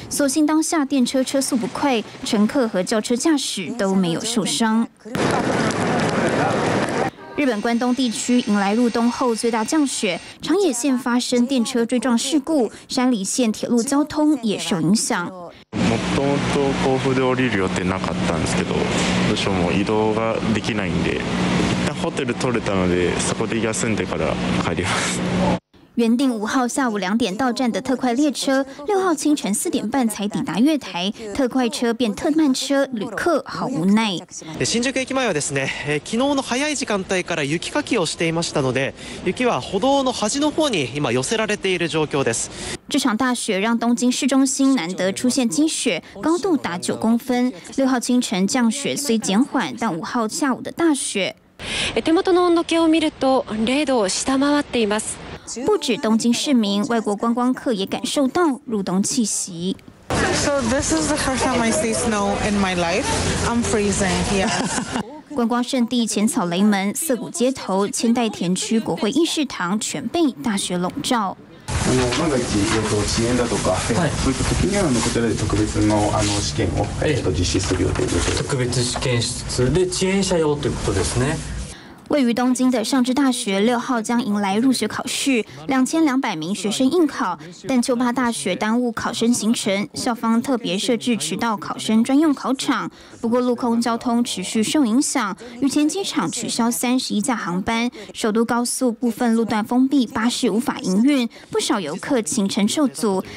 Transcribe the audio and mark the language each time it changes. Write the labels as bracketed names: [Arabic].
[Chinese] 所幸当下电车车速不快，乘客和轿车驾驶都没有受伤。日本关东地区迎来入冬后最大降雪，长野县发生电车追撞事故，山梨县铁路交通也受影响。 [Japanese] もともと甲府で降りる予定なかったんですけど、どうしようも移動ができないんで、一旦ホテル取れたのでそこで休んでから帰ります。 [Chinese] 原定5号下午2点到站的特快列车，6号清晨4点半才抵达月台，特快车变特慢车，旅客好无奈。 [Japanese] 新宿駅前はですね、昨日の早い時間帯から雪かきをしていましたので、雪は歩道の端の方に今寄せられている状況です。 [Chinese] 这场大雪让东京市中心难得出现积雪，高度达9公分。 6号清晨降雪虽减缓，但5号下午的大雪， [Japanese] 手元の温度計を見ると0度を下回っています。 [Chinese] 不止东京市民，外国观光客也感受到入冬气息。 [English] So this is the first time I see snow in my life. I'm freezing here. [Chinese] 观光胜地浅草雷门、涩谷街头、千代田区国会议事堂全被大雪笼罩。 [Japanese] 万が一遅延だとか、はい、そういった時にはこちらで特別の試験をちょっと実施する予定です。特別試験室で遅延者用ということですね。 [Chinese] 位于东京的上智大学6号将迎来入学考试，2200名学生应考，但就怕大雪耽误考生行程，校方特别设置迟到考生专用考场。不过陆空交通持续受影响，羽田机场取消31架航班，首都高速部分路段封闭，巴士无法营运，不少游客行程受阻。